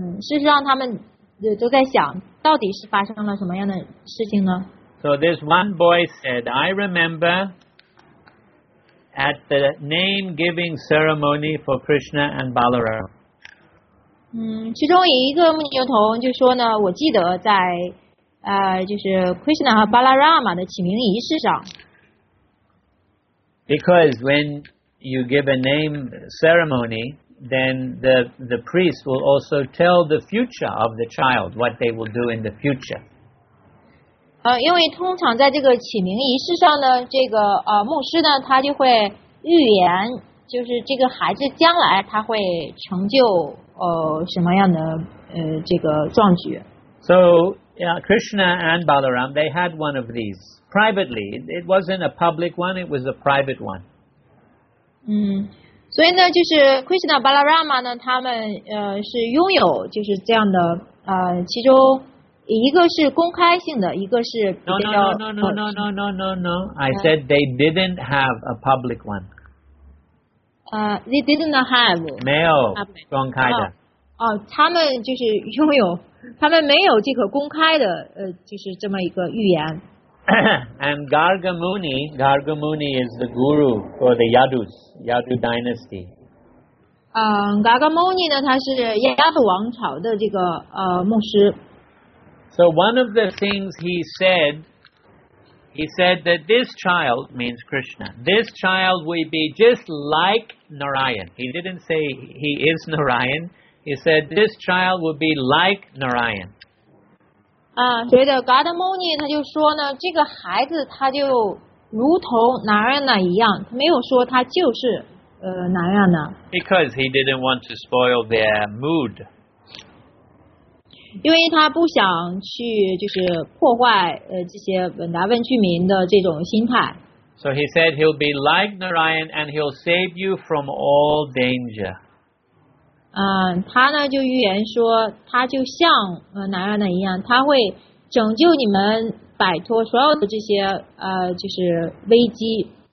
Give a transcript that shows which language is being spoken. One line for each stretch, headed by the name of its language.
Chinese: 事实上他们都在想到底是发生了什么样的事情呢
English: ？So this one boy said, "I remember at the name giving ceremony for Krishna and Balaram."
Chinese: 其中一个木牛童就说呢，我记得在就是 Krishna 和 Balarama 的起名仪式上。
English: Because when you give a name ceremony, then the priest will also tell the future of the child, what they will do in the future.
Chinese: 因为通常在这个起名仪式上呢，这个牧师呢，他就会预言，就是这个孩子将来他会成就什么样的这个壮举。
English: So,Yeah, Krishna and Balaram, they had one of these privately. It wasn't a public one, it was a private one.
Chinese: 所以呢就是 Krishna Balarama 呢他们是拥有就是这样的其中一个是公开性的一个是比较
English: No. I said they didn't have a public one. They didn't have.
Chinese: 没有公开的。他们就是拥有他们没有这个公开的就是这么一个预言。
English: And Garga Muni is the guru for the Yadus, Yadu dynasty.
Chinese: Gagamoni 呢，他是亚鲁王朝的这个牧师。
English: So one of the things he said that this child means Krishna. This child will be just like Narayan. He didn't say he is Narayan. He said this child will be like Narayan.
Chinese: 啊，觉得 Gagamoni 他就说呢，这个孩子他就如同 Narayana 一样，没有说他就是。
English: Because he didn't want to spoil their mood.
Chinese: 因为他不想去就是破坏这些稳达问居民的这种心态。
English: So he said he'll be like Narayan and he'll save you from all danger.
Chinese: 他呢就预言说他就像Narayana一样，他会拯救你们摆脱所有的这些就是危机。